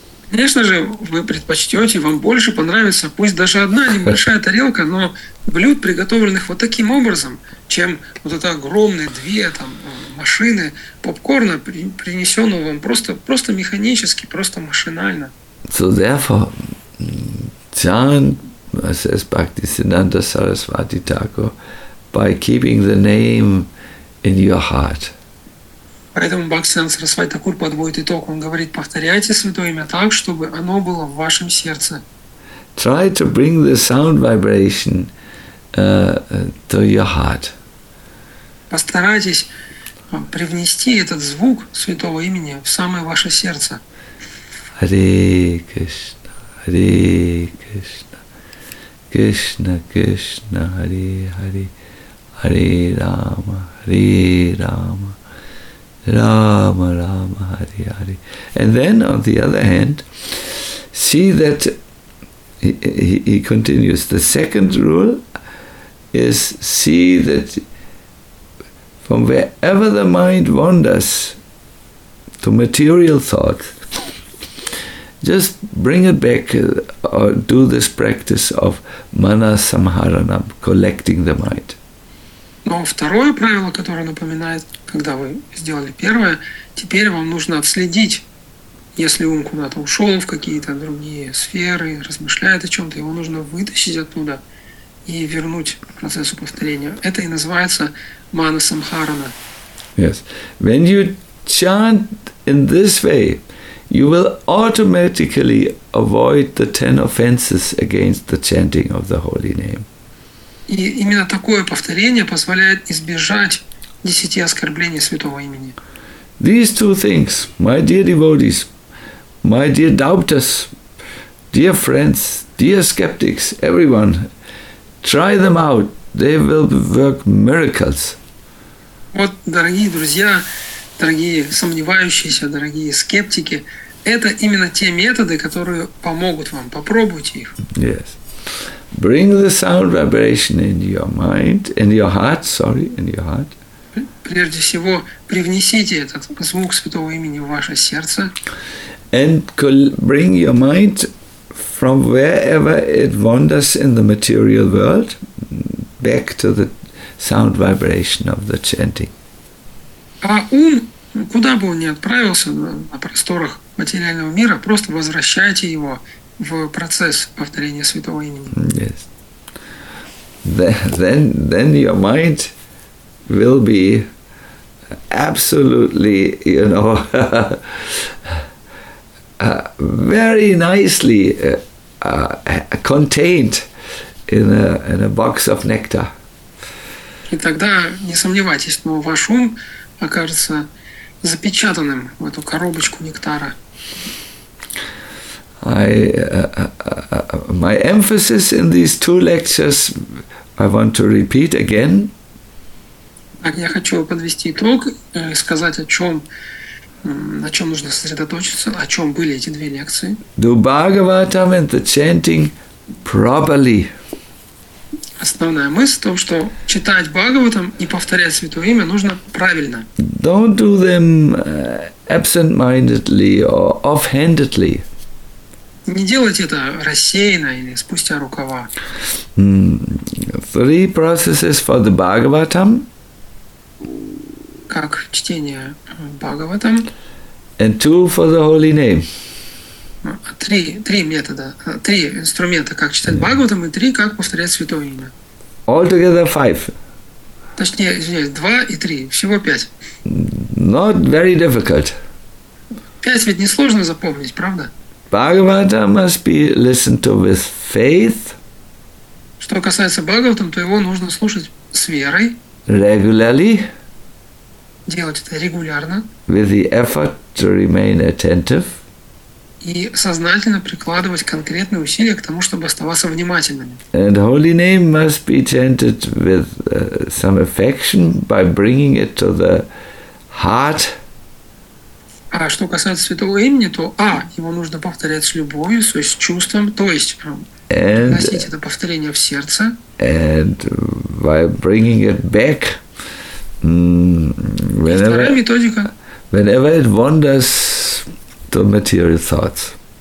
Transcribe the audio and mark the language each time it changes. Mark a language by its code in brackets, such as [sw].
[ru] Конечно же, вы предпочтете, вам больше понравится, пусть даже одна небольшая тарелка, но блюд, приготовленных вот таким образом, чем вот это огромные две там машины попкорна, принесенного вам просто, просто механически, просто машинально. [en] So therefore, John says, Bhaktisiddhanta Sarasvati Thakur, by keeping the name in your heart. [ru] Поэтому Бхактисиддханта Сарасвати Такур подводит итог. Он говорит, повторяйте святое имя так, чтобы оно было в вашем сердце. [en] Try to bring the sound vibration to your heart. [ru] Постарайтесь привнести этот звук святого имени в самое ваше сердце. [sa] Hare Krishna, Hare Krishna, Krishna Krishna, Hare Hare, Hare Rama, Hare Rama. Rama, Rama, Hari, Hari. [en] And then, on the other hand, see that he continues. The second rule is see that from wherever the mind wanders to material thoughts, just bring it back or do this practice of mana samharanam, collecting the mind. [ru] Но второе правило, которое напоминает, когда вы сделали первое, теперь вам нужно отследить, если ум куда-то ушел в какие-то другие сферы, размышляет о чем-то, его нужно вытащить оттуда и вернуть к процессу повторения. Это и называется мана самхарана. [en] Yes. When you chant in this way, you will automatically avoid the 10 offenses against the chanting of the holy name. [ru] И именно такое повторение позволяет избежать 10 оскорблений святого имени. [en] These two things, my dear devotees, my dear doubters, dear friends, dear skeptics, everyone, try them out. They will work miracles. [ru] Вот, дорогие друзья, дорогие сомневающиеся, дорогие скептики, это именно те методы, которые помогут вам. Попробуйте их. [en] Yes. Bring the sound vibration in your mind, in your heart, sorry, in your heart. [ru] Прежде всего, привнесите этот звук святого имени в ваше сердце. [en] And bring your mind from wherever it wanders in the material world back to the sound vibration of the chanting. [ru] А ум, куда бы он ни отправился, на просторах материального мира, просто возвращайте его в процесс повторения святого имени. [en] Yes. Then your mind will be absolutely, you know, very nicely contained in a box of nectar. [ru] И тогда не сомневайтесь, но ваш ум окажется запечатанным в эту коробочку нектара. [en] My emphasis in these two lectures, I want to repeat again. [ru] Так, я хочу подвести итог, сказать, на чем нужно сосредоточиться, о чем были эти две лекции. [en] Do Bhagavatam and the chanting properly. [ru] Основная мысль в том, что читать Бхагаватам и повторять святое имя нужно правильно. [en] Don't do them absent-mindedly or off-handedly. [ru] Не делайте это рассеянно или спустя рукава. [en] Three processes for the Bhagavatam. [ru] Как чтение Бхагаватам. [en] And two for the holy name. [ru] Три метода, три инструмента, как читать Бхагаватам, и три, как повторять святое имя. [en] Altogether five. [ru] Точнее, извиняюсь, два и три, всего пять. [en] Not very difficult. [ru] Пять ведь не сложно запомнить, правда? [en] Bhagavata must be listened to with faith. [ru] Что касается Бхагаватам, то его нужно слушать с верой. [en] Regularly. [ru] Делать это регулярно. [en] With the effort to remain attentive. [ru] И сознательно прикладывать конкретные усилия к тому, чтобы оставаться внимательными. [en] And holy name must be chanted with some affection by bringing it to the heart. [ru] А что касается святого имени, то его нужно повторять с любовью, то есть с чувством, то есть носить это повторение в сердце. [en] And by bringing it back, [ru] и вторая методика. [en] whenever it wanders to material thoughts.